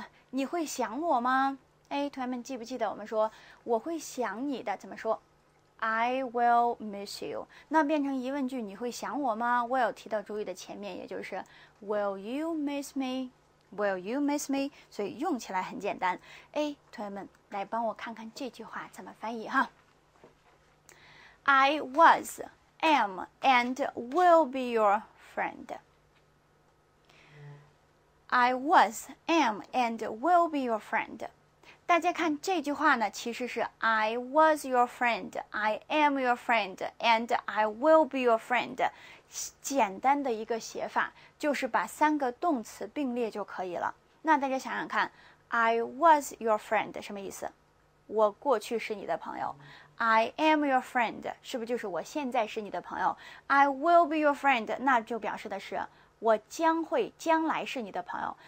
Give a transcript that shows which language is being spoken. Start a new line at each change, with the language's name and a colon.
Chinese: 你会想我吗哎，同学们记不记得我们说我会想你的怎么说
English: I will miss you
Chinese: 那变成疑问句你会想我吗 will 提到主语的前面也就是
English: will you miss meWill you miss me?
Chinese: 所以用起来很简单。哎，同学们，来帮我看看这句话怎么翻译哈。
English: I was, am, and will be your friend. I was, am, and will be your friend.
Chinese: 大家看这句话呢，其实是
English: I was your friend, I am your friend, and I will be your friend。
Chinese: 简单的一个写法，就是把三个动词并列就可以了。那大家想想看 ，
English: I was your friend
Chinese: 什么意思？我过去是你的朋友。
English: I am your friend
Chinese: 是不是就是我现在是你的朋友 ？
English: I will be your friend
Chinese: 那就表示的是我将会将来是你的朋友。